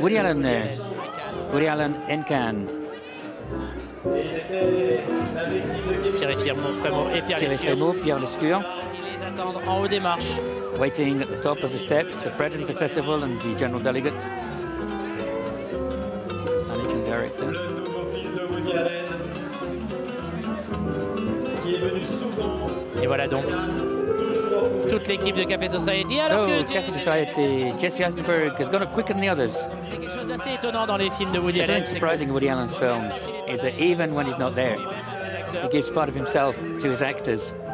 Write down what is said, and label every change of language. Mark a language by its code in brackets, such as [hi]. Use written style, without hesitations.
[en] Woody Allen there. Woody Allen in Cannes. [fr] Thierry Firmeau, Pierre Lescure. En haut des marches. [en] Waiting at the top of the steps, the president of the festival and the general delegate. Managing director. [fr] Le nouveau film de Woody Allen, qui est venu souvent. Et voilà donc toute l'équipe de Café Society. [en] Café Society, Jesse Eisenberg is going to quicken the others. [fr] Quelque chose d'assez étonnant dans les films de Woody Allen. [en] It's surprising in Woody Allen's films is that even when he's not there, he gives part of himself to his actors.